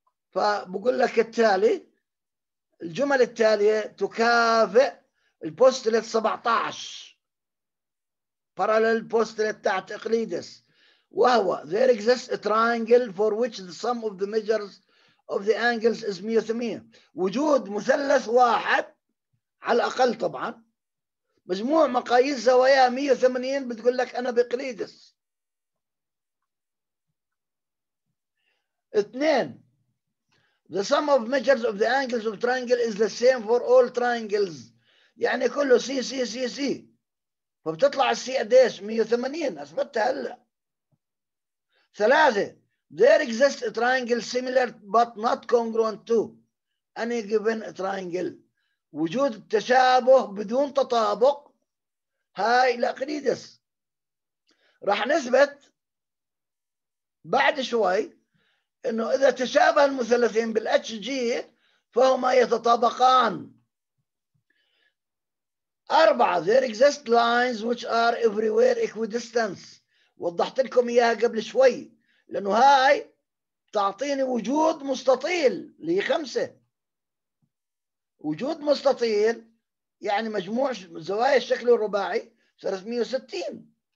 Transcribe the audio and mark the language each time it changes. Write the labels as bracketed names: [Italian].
[Arabic] فبقول لك التالي الجمل التالية تكافئ البوستلت 17 [English] parallel postulate [Arabic] تاعت إقليدس وهو [English] there exists a triangle for which the sum of the measures of the angles is 180 [Arabic] وجود مثلث واحد على الأقل طبعا مجموع مقاييس زوايا 180 بتقول لك أنا بإقليدس. اثنين [English] the sum of measures of the angles of triangle is the same for all triangles [Arabic] يعني كله سي سي سي سي فبتطلع السي قديش 180 اثبتها هلا. ثلاثة [English] there exists a triangle similar but not congruent to any given triangle [Arabic] وجود التشابه بدون تطابق هاي لإقليدس. راح نثبت بعد شوي انه اذا تشابه المثلثين بالاتش جي فهما يتطابقان. أربعة [English] there exist lines which are everywhere equidistant [Arabic] وضحت لكم إياها قبل شوي لأنه هاي تعطيني وجود مستطيل اللي هي خمسة وجود مستطيل يعني مجموع زوايا الشكل الرباعي 360.